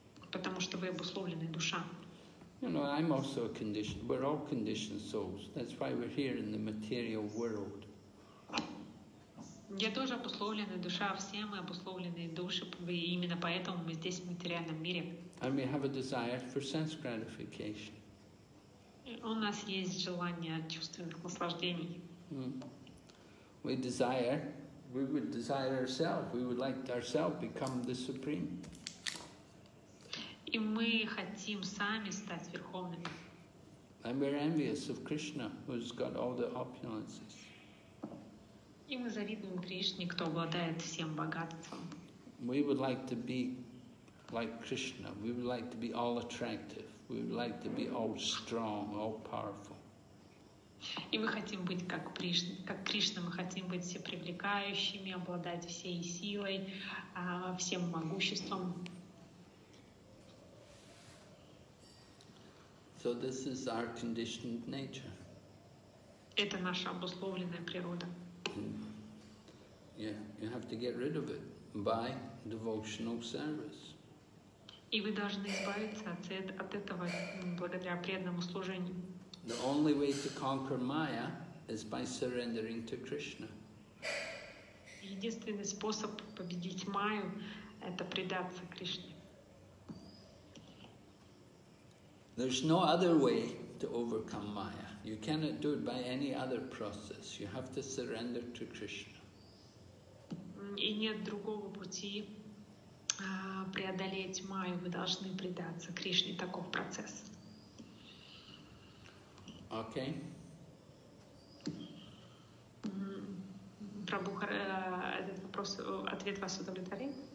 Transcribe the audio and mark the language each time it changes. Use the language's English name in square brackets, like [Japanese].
[Russian] Потому что вы обусловленная душа. [English] You know, I'm also a conditioned. We're all conditioned souls. That's why we're here in the material world. [Russian] Я тоже обусловленная душа, все мы обусловленные души, и именно поэтому мы здесь в материальном мире. [English] And we have a desire for sense gratification. [Russian] У нас есть желание чувственных наслаждений. Mm. [English] We desire, we would desire ourselves, we would like ourselves become the supreme. [Russian] И мы хотим сами стать верховными. [English] And we're envious of Krishna, who's got all the opulences. [Russian] И мы завидуем Кришне, кто обладает всем богатством. [English] We would like to be like Krishna. We would like to be all attractive. We would like to be all strong, all powerful. [Russian] И мы хотим быть как Кришна. Как Кришна мы хотим быть все привлекающими, обладать всей силой, всем могуществом. [English] So this is our conditioned nature. [Russian] Это наша обусловленная природа. [English] Yeah, you have to get rid of it by devotional service. [Russian] И вы должны избавиться от этого благодаря преданному служению. [English] The only way to conquer Maya is by surrendering to Krishna. [Russian] Единственный способ победить Майю – это предаться Кришне. [English] There's no other way to overcome Maya. You cannot do it by any other process. You have to surrender to Krishna. [Russian] И нет другого пути преодолеть Майю. Вы должны предаться Кришне. Таков процесс. [English] Okay. [Russian] Прабу, этот вопрос, ответ вас удовлетворил?